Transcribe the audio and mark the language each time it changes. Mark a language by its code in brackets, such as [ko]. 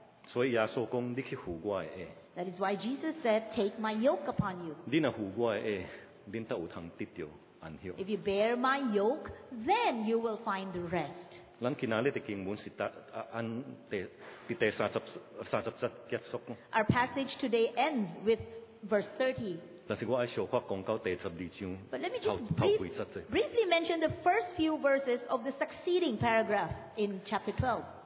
[nan] 所以耶稣讲，你去负我的轭。 [en] That is why Jesus said, "Take my yoke upon you." [nan] 你若负我的轭，恁才有通得到安息。 [en] If you bear my yoke, then you will find rest. [nan] 咱今仔日的经文是第三十节结束。 [en] Our passage today ends with verse 30. [nan] 但是我爱小话讲到第十二章。 [en] But let me just briefly mention the first few verses of the succeeding paragraph in chapter 12.